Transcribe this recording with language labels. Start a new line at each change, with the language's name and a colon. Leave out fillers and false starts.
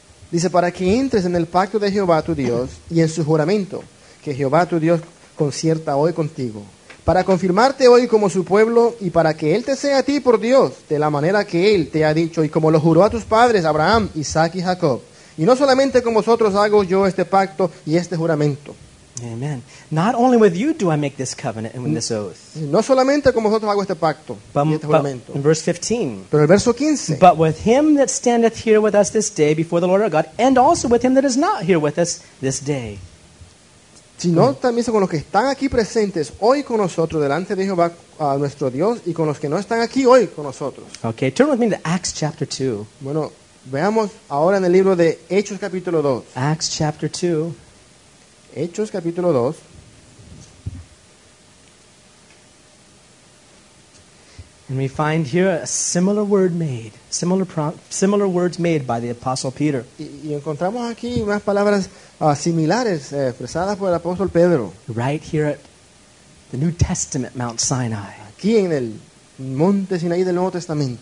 Spanish: Dice, para que entres en el pacto de Jehová tu Dios y en su juramento que Jehová tu Dios concierta hoy contigo, para confirmarte hoy como su pueblo y para que Él te sea a ti por Dios de la manera que Él te ha dicho y como lo juró a tus padres Abraham, Isaac y Jacob. Y no solamente con vosotros hago yo este pacto y este juramento. Amen.
English: Not only with you do I make this covenant and this oath.
Spanish: No solamente con vosotros hago este pacto,
English: but,
Spanish: y este juramento.
English: In verse 15.
Spanish: Pero el verso 15.
English: But with him that standeth here with us this day before the Lord our God, and also with him that is not here with us this day.
Spanish: Sino también con los que están aquí presentes hoy con nosotros delante de Jehová a nuestro Dios y con los que no están aquí hoy con nosotros.
English: Okay, turn with me to Acts chapter 2.
Spanish: Bueno, veamos ahora en el libro de Hechos capítulo 2.
English: Acts chapter 2.
Spanish: Hechos capítulo 2.
English: And we find here a similar word made, similar words made by the apostle Peter.
Spanish: Y encontramos aquí unas palabras similares expresadas por el apóstol Pedro.
English: Right here at the New Testament Mount Sinai.
Spanish: Aquí en el monte Sinaí del Nuevo Testamento.